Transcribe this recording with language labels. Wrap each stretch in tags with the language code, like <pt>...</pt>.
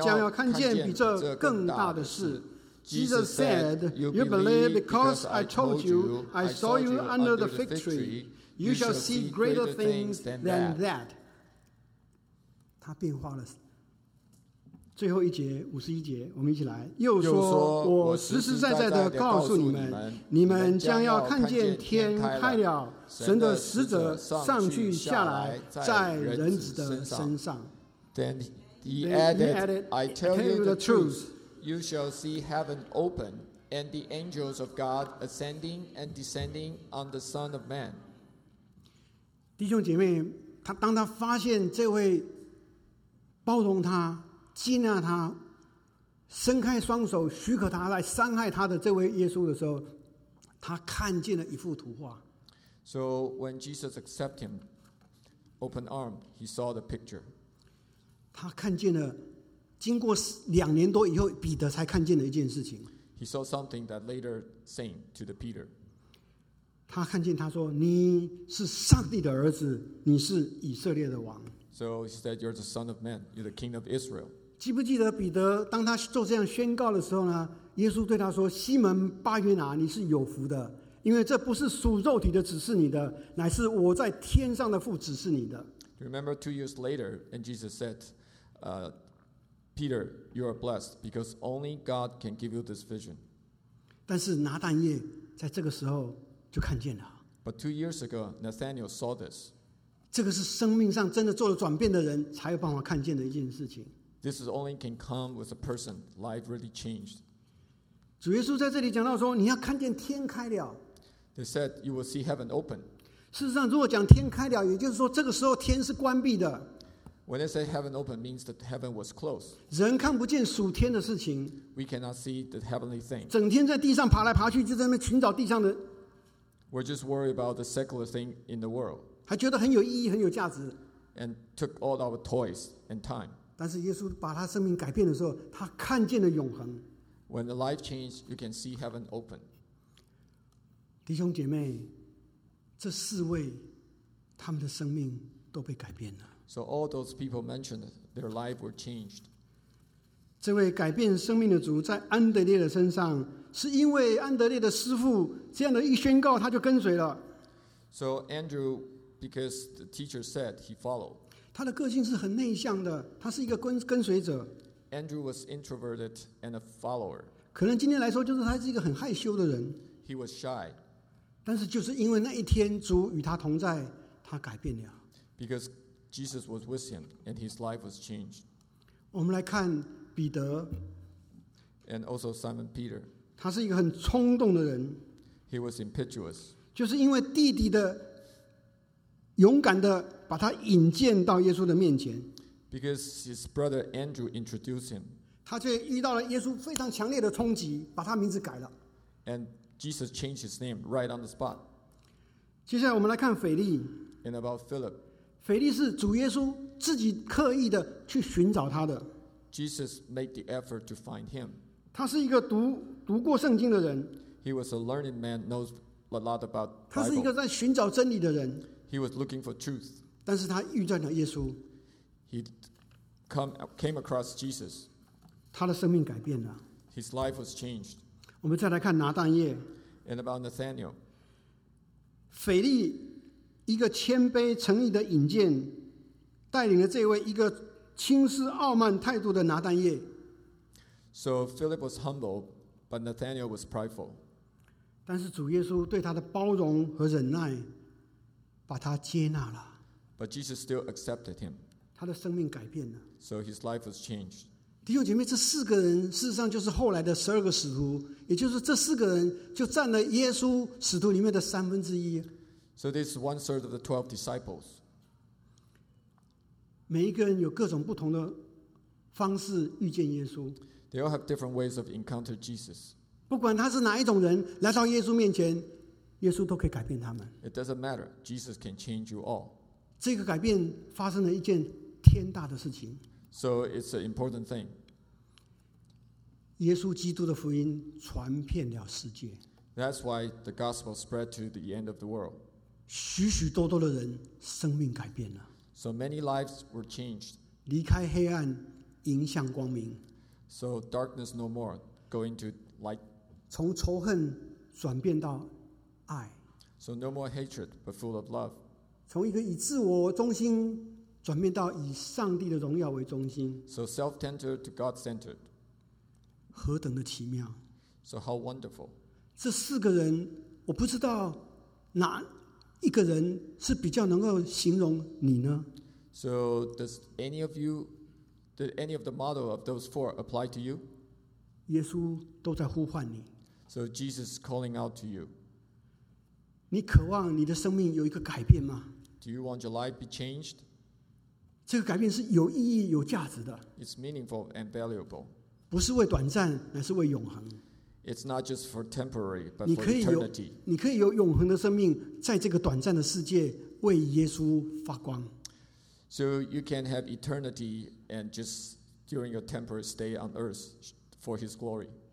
<zh>耶稣对他说，因为我说在无花果树底下看见你，你就信吗？你将要看见比这更大的事。</zh> <en>Jesus said, you believe because I told you, I saw you under the fig tree. You shall see greater things than that.</en> <zh>他变化了。最后一节，51节，我们一起来。又说，我实实在在的告诉你们，你们将要看见天开了，神的使者上去下来，在人子的身上。</zh> <en>Then he added, I tell you the truth, you shall see heaven open, and the angels of God ascending and descending on the Son of Man.</en> <zh>弟兄姐妹，他当他发现这位 包容他，接纳他，伸开双手许可他来伤害他的这位耶稣的时候，他看见了一幅图画。</zh> <en>So when Jesus accepted him, open arm, he saw the picture.</en> <zh>他看见了，经过两年多以后，彼得才看见了一件事情。</zh> <en>He saw something that later saying to the Peter.</en> <zh>他看见他说，你是上帝的儿子，你是以色列的王。</zh> <en>So he said, you're the son of man, you're the king of Israel.</en> <zh>记不记得彼得当他做这样宣告的时候呢？耶稣对他说，西门巴约拿，你是有福的，因为这不是属肉体的指示你的，乃是我在天上的父指示你的。</zh> <en>Remember 2 years later, and Jesus said, Peter, you are blessed because only God can give you this vision.</en> <zh>但是拿但业在这个时候就看见了。</zh> <en>But 2 years ago, Nathaniel saw this.</en> <zh>这个是生命上真的做了转变的人才有办法看见的一件事情。</zh> <en>This is only can come with a person life really changed.</en> <zh>主耶稣在这里讲到说，你要看见天开了。</zh> <en>They said you will see heaven open.</en> <zh>事实上，如果讲天开了，也就是说，这个时候天是关闭的。</zh> <en>When they say heaven open, means that heaven was closed.</en> <zh>人看不见属天的事情。</zh> <en>We cannot see the heavenly thing.</en> <zh>整天在地上爬来爬去，就在那边寻找地上的。</zh> <en>We're just worried about the secular thing in the world.</en> <zh>还觉得很有意义，很有价值。</zh> <en>And took all our toys and time.</en> <zh>但是耶稣把他生命改变的时候，他看见了永恒。</zh> <en>When the life changed, you can see heaven open.</en> <zh>弟兄姐妹。这四位，他们的生命都被改变了。</zh> <en>So all those people mentioned, their life were changed.</en> <zh>这位改变生命的主在安德烈的身上，是因为安德烈的师父这样的一宣告，他就跟随了。</zh> <en>So Andrew, because the teacher said, he followed.</en> <zh>他的个性是很内向的，他是一个跟随者。</zh> <en>Andrew was introverted and a follower.</en> <zh>可能今天来说，就是他是一个很害羞的人。</zh> <en>He was shy.</en> <zh>但是就是因为那一天主与他同在，他改变了。</zh> <en>Because Jesus was with him and his life was changed.</en> <zh>我们来看彼得。</zh> <en>And also Simon Peter.</en> <zh>他是一个很冲动的人。</zh> <en>He was impetuous.</en> <zh>就是因为弟弟的勇敢的把他引荐到耶稣的面前。</zh> <en>Because his brother Andrew introduced him.</en> <zh>他却遇到了耶稣非常强烈的冲击，把他名字改了。</zh> <en>And Jesus changed his name right on the spot.</en> <zh>接下来我们来看腓力。</zh> <en>And about Philip.</en> <zh>腓力是主耶稣自己刻意的去寻找他的。</zh> <en>Jesus made the effort to find him.</en> <zh>他是一个读过圣经的人。</zh> <en>He was a learned man, knows a lot about Bible.</en> <zh>他是一个在寻找真理的人。</zh> <en>He was looking for truth.</en> <zh>但是他遇见了耶稣。</zh> <en>He came across Jesus.</en> <zh>他的生命改变了。</zh> <en>His life was changed.</en> <zh>我们再来看拿但业。</zh> <en>And about Nathaniel.</en> <zh>腓力一个谦卑诚意的引荐，带领了这位一个轻视傲慢态度的拿但业。</zh> <en>So Philip was humble, but Nathaniel was prideful.</en> <zh>但是主耶稣对他的包容和忍耐，把他接纳了。</zh> <en>But Jesus still accepted him.</en> <zh>他的生命改变了。</zh> <en>So his life was changed.</en> <zh>弟兄姐妹，这四个人事实上就是后来的十二个使徒，也就是这四个人就占了耶稣使徒里面的三分之一。</zh> <en>So this is one third of the 12 disciples.</en> <zh>每一个人有各种不同的方式遇见耶稣。</zh> <en>They all have different ways of encounter Jesus.</en> <zh>不管他是哪一种人来到耶稣面前，耶稣都可以改变他们。</zh> <en>It doesn't matter. Jesus can change you all.</en> <zh>这个改变发生了一件天大的事情。</zh> <en>So it's an important thing.</en> <zh>耶稣基督的福音传遍了世界。</zh> <en>That's why the gospel spread to the end of the world.</en> <zh>许许多多的人生命改变了。</zh> <en>So many lives were changed.</en> <zh>离开黑暗，迎向光明。</zh> <en>So darkness no more, go into light.</en> <zh>从仇恨转变到爱。</zh> <en>So no more hatred, but full of love.</en> <zh>从一个以自我中心转变到以上帝的荣耀为中心。</zh> <en>So self-centered to God-centered.</en> <zh>何等的奇妙。</zh> <en>So how wonderful.</en> <zh>这四个人，我不知道哪一个人是比较能够形容你呢？</zh> <en>So does any of you, did any of the model of those four apply to you?</en> <zh>耶稣都在呼唤你。</zh> <en>So Jesus is calling out to you.</en> <zh>你渴望你的生命有一个改变吗？</zh> <en>Do you want your life to be changed?</en> <zh>这个改变是有意义、有价值的。</zh> <en>It's meaningful and valuable.</en> <zh>不是为短暂，乃是为永恒。</zh> <en>It's not just for temporary, but for eternity.</en> <zh>你可以有永恒的生命，在这个短暂的世界为耶稣发光。</zh> <en>So you can have eternity and just during your temporary stay on earth for his glory.</en>